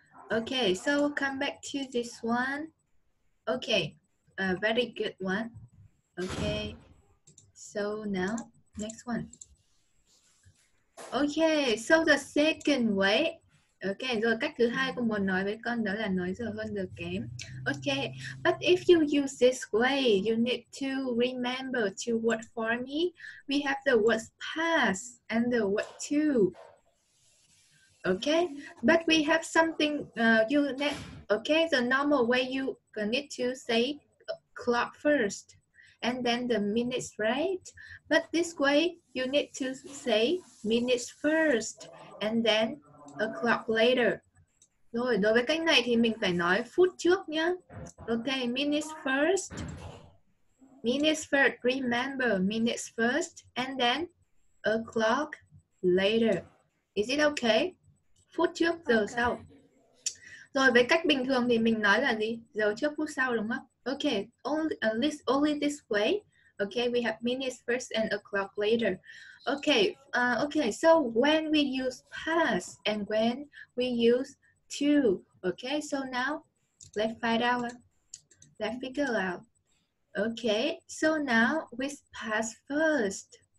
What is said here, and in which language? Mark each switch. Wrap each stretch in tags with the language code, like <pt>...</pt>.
<en>Okay, so come back to this one. Okay. Very good one. Okay. So now next one. Okay, so the second way.</en> <vi>Okay, rồi cách thứ hai cô muốn nói với con đó là nói giờ hơn giờ kém.</vi> <en>Okay, but if you use this way, you need to remember two words for me. We have the words past and the word to. Okay, but we have something you need. Okay, the normal way you need to say clock first and then the minutes, right? But this way, you need to say minutes first and then a clock later.</en> <vi>Rồi, đối với cách này thì mình phải nói phút trước nhá.</vi> <en>Okay, minutes first. Minutes first, remember minutes first and then a clock later. Is it okay?</en> <vi>Phút trước, giờ</vi> <en>okay. Sau.</en> <vi>Rồi, với cách bình thường thì mình nói là gì? Giờ trước, phút sau đúng không?</vi> <en>Okay, only this way. Okay, we have minutes first and a clock later. Okay, okay. So when we use past and when we use to. Okay, so now let's find out. Let's figure out. Okay, so now we past first.</en>